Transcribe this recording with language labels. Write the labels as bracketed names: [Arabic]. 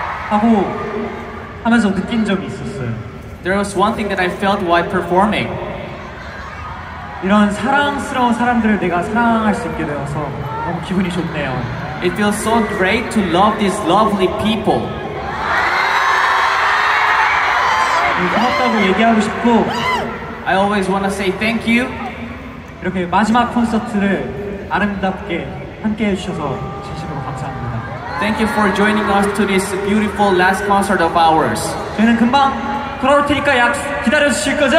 [Korean] 하고 하면서 느낀 점이 있었어요. [English] There was one thing that I felt while performing. [Korean] 이런 사랑스러운 사람들을 내가 사랑할 수 있게 되어서 너무 기분이 좋네요. [English] It feels so great to love these lovely people. [Korean] 고맙다고 얘기하고 싶고. [English] I always want to say thank you. [Korean] 이렇게 마지막 콘서트를 아름답게 함께해 주셔서 진심으로 감사합니다. [English] Thank you for joining us to this beautiful last concert of ours. [Korean] 저희는 금방 돌아올 테니까 약 기다려 주실 거죠?